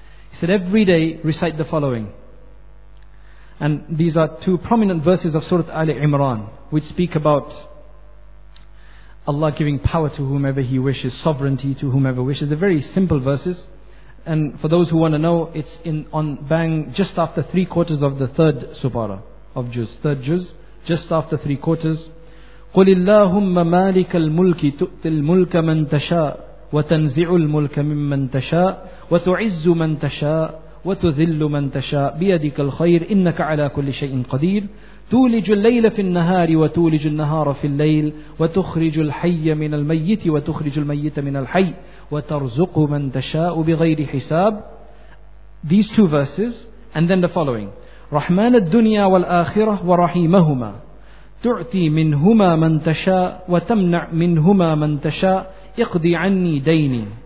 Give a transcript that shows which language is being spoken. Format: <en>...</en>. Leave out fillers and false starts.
<en>He said, every day recite the following. And these are two prominent verses of Surah Ali Imran, which speak about Allah giving power to whomever He wishes, sovereignty to whomever wishes. They're very simple verses. And for those who want to know, it's just after three quarters of the third surah of Juz. Third Juz, just after three quarters.</en> <ar>قل اللهم مالك الملك تؤتي الملك من تشاء وتنزع الملك ممن تشاء وتعز من تشاء وتذل من تشاء بيدك الخير إنك على كل شيء قدير تولج الليل في النهار وتولج النهار في الليل وتخرج الحي من الميت وتخرج الميت من الحي وترزق من تشاء بغير حساب.</ar> <en>These two verses and then the following.</en> <ar>رحمن الدنيا والآخرة ورحيمهما تعطي منهما من تشاء وتمنع منهما من تشاء اقضي عني ديني.</ar>